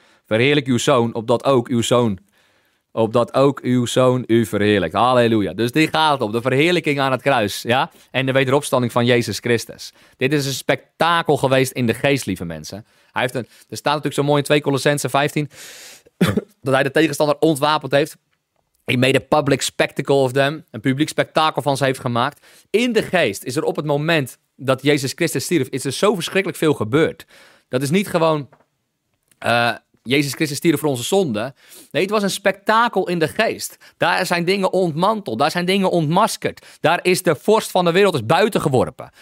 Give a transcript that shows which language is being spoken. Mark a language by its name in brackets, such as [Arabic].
[Dutch] Verheerlijk uw zoon, opdat ook uw zoon... Opdat ook uw zoon u verheerlijkt. Halleluja. Dus dit gaat om de verheerlijking aan het kruis. Ja? En de wederopstanding van Jezus Christus. Dit is een spektakel geweest in de geest, lieve mensen. Hij heeft er staat natuurlijk zo mooi in 2 Colossenzen 15. dat hij de tegenstander ontwapend heeft. [English] He made a public spectacle of them. [Dutch] Een publiek spektakel van ze heeft gemaakt. In de geest is er op het moment dat Jezus Christus stierf. Is er zo verschrikkelijk veel gebeurd. Dat is niet gewoon... Jezus Christus stierf voor onze zonde. Nee, het was een spektakel in de geest. Daar zijn dingen ontmanteld. Daar zijn dingen ontmaskerd. Daar is de vorst van de wereld buiten geworpen.